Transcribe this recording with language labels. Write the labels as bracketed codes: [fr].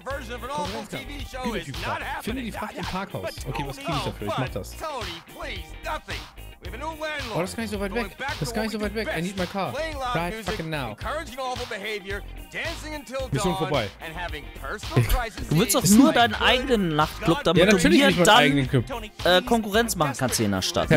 [en] version of an awful TV show is not happening. [de] Finde die Fracht im Parkhaus. Okay, was kriege ich dafür? Ich mach das. [en] Tony, please, nothing. We have a new landlord. [de] Oh, das ist gar nicht so weit weg. [en] I need my car. Right fucking now. Encouraging awful behavior, dancing until dawn, and having personal [de] crisis. Du willst doch nur deinen eigenen Nachtclub, damit du hier dann Konkurrenz machen kannst hier in der Stadt, ne?